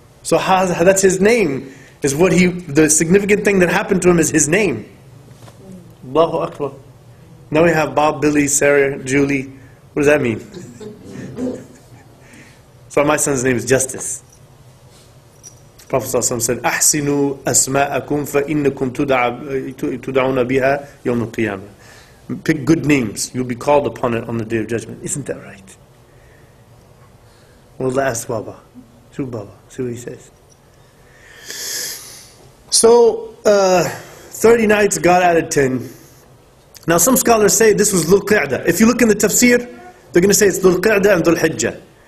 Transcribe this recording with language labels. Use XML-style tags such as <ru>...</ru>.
<en>So how that's his name. Is what he, the significant thing that happened to him is his name. Allahu Akbar. Now we have Bob, Billy, Sarah, Julie. What does that mean? So my son's name is Justice. The Prophet ﷺ said,</en> <ar>أحسنوا أسماءكم فإنكم تدعون بها يوم القيامة.</ar> <en>Pick good names. You'll be called upon it on the Day of Judgment. Isn't that right? Well, ask Baba. Shoot Baba. See what he says. So, 30 nights, God added 10. Now, some scholars say this was Dhul-Qi'dah. If you look in the tafsir, they're going to say it's Dhul-Qi'dah and Dhul-Hijjah.</en>